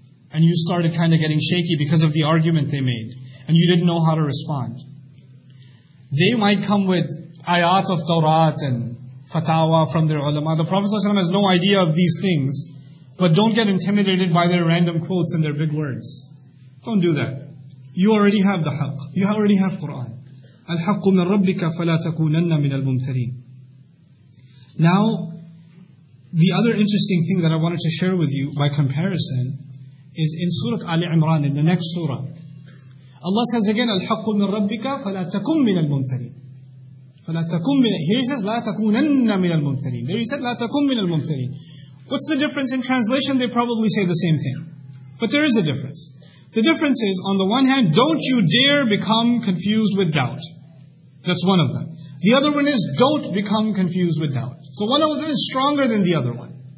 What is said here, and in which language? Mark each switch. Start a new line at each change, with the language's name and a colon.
English: And you started kind of getting shaky because of the argument they made. And you didn't know how to respond. They might come with ayat of Tawrat and fatawa from their ulama. The Prophet ﷺ has no idea of these things. But don't get intimidated by their random quotes and their big words. Don't do that. You already have the haqq. You already have Quran.
Arabic: الحق من ربك فلا تكونن من الممترين.
English: Now, the other interesting thing that I wanted to share with you by comparison is in Surah Ali Imran, in the next surah, Allah says again,
Arabic: الحق من ربك فلا تكون من الممترين.
English: Here he says,
Arabic: لا تكونن من الممترين.
English: There he said,
Arabic: لا تكون من الممترين.
English: What's the difference in translation? They probably say the same thing. But there is a difference. The difference is, on the one hand, don't you dare become confused with doubt. That's one of them. The other one is, don't become confused with doubt. So one of them is stronger than the other one.